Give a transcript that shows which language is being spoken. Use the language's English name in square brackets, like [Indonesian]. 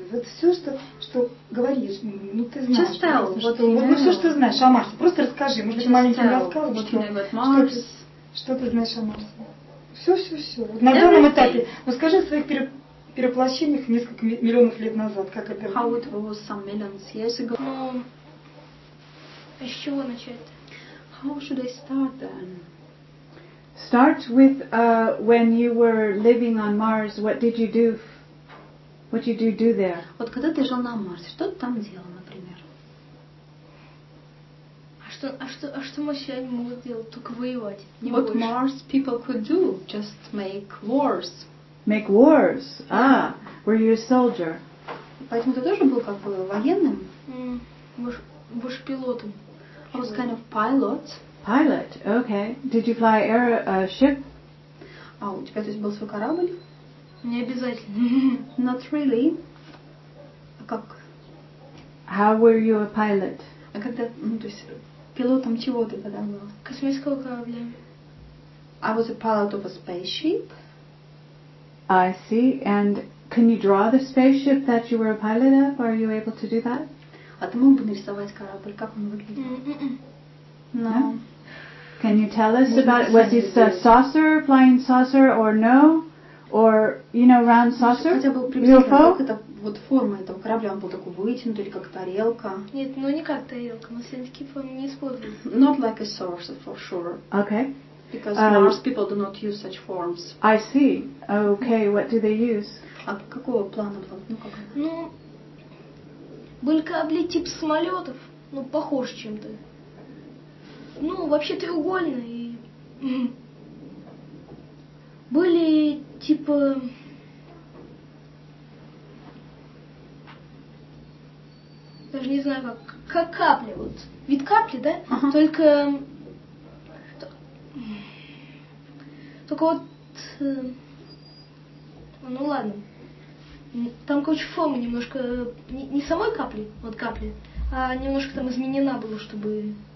[Russian] Вот все, что говоришь, ну ты знаешь. [English] Just tell. [Russian] Вот все, что знаешь о Марсе. Просто расскажи. Может, маленький рассказ. Вот что ты знаешь о Марсе. Все. Вот на данном этапе. Ну скажи о своих перевоплощениях несколько миллионов лет назад. Как это было? [English] How it was some millions years ago. [Russian] Ну, а с чего начать? [English] How should I start then? Start with when you were living on Mars. What did you do? What did you do there? [Russian] Вот когда ты жил на Марсе, что ты там делал, например? А что марсиане могут делать? Только воевать. Не [English] what [Russian] больше. [English] Mars people could do? Just make wars. Make wars? Yeah. Ah, were you a soldier? [Russian] Поэтому ты тоже был как бы военным? Больше пилотом. [English] I was kind of pilot. Pilot, okay. Did you fly a ship? [Russian] А у тебя то есть был свой корабль? Не обязательно. [English] Not really. [Russian] А как? [English] How were you a pilot? [Russian] А когда, ну, то есть, пилотом чего ты тогда был? Космического корабля. [English] I was a pilot of a spaceship. I see. And can you draw the spaceship that you were a pilot of? Are you able to do that? [Russian] А ты мог бы нарисовать корабль? Как он выглядит? [English] No. Can you tell us about, was this a saucer, flying saucer, or no? Or, you know, round saucer? [Russian] Хотя был приблизительно, как это вот форма этого корабля, он был такой вытянутый, как тарелка. Нет, ну не как тарелка, мы все такие формы не используем. [English] Not like a saucer, for sure. Okay. Because Mars people do not use such forms. I see. Okay, what do they use? [Russian] А какого плана было? Ну, как? Ну, были корабли типа самолетов, ну, похож чем-то. Ну, вообще треугольные. Были типа даже не знаю как капли вот вид капли да только вот ну ладно там короче форма немножко не самой капли вот капли а немножко там изменена была чтобы